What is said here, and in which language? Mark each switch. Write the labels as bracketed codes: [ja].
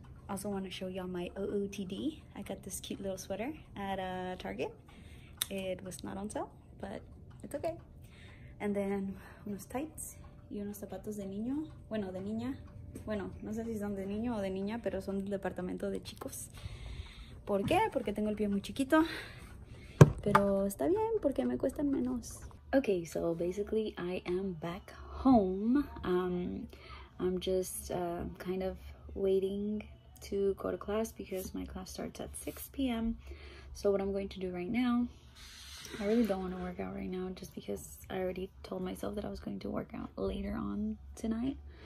[en] Also want to show y'all my OOTD. I got this cute little sweater at Target. It was not on sale, but it's okay. And then [es] unos tights y unos zapatos de niño. Bueno, de niña. Bueno, no sé si son de niño o de niña, pero son del departamento de chicos. ¿Por qué? Porque tengo el pie muy chiquito. Pero está bien porque me cuestan menos. [en] Okay, so basically I am back home. I'm just kind of waiting to go to class because my class starts at 6 p.m. So what I'm going to do right now, I really don't want to work out right now just because I already told myself that I was going to work out later on tonight.